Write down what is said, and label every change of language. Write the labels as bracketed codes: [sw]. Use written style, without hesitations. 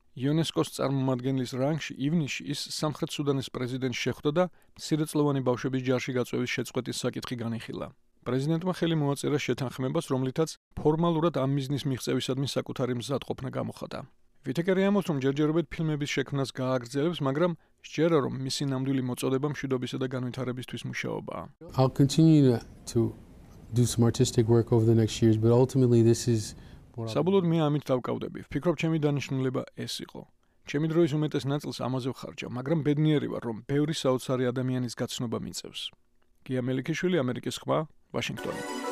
[ka] იუნესკოს წარმომადგენლის რანგში ივნისში ის სამხრეთ სუდანის პრეზიდენტს შეხვდა და მცირეწლოვანი ბავშვების ჯარში გაწვევის შეწყვეტის საკითხი განიხილა. პრეზიდენტმა ხელი მოაწერა შეთანხმებას, რომლითაც ფორმალურად ამ მიზნის მიღწევისადმი საკუთარი მზადყოფნა გამოხატა. ვიტეკერი ამბობს, რომ ჯერჯერობით ფილმების შექმნას გააგრძელებს, მაგრამ სჯერა, რომ მისი ნამდვილი მოწოდება მშვიდობისა და განვითარებისთვის მუშაობაა. [en] I'll continue to do some artistic work over the next years, but ultimately this is [ka] საბოლოოდ მე ამით დავკავდები. ვფიქრობ, ჩემი დანიშნულება ეს იყო. ჩემი დროის უმეტეს ნაწილს ამაზე ვხარჯავ, მაგრამ ბედნიერი ვარ, რომ ბევრი საოცარი ადამიანის გაცნობა მიწევს. გია მელიქიშვილი, ამერიკის ხმა, ვაშინგტონი.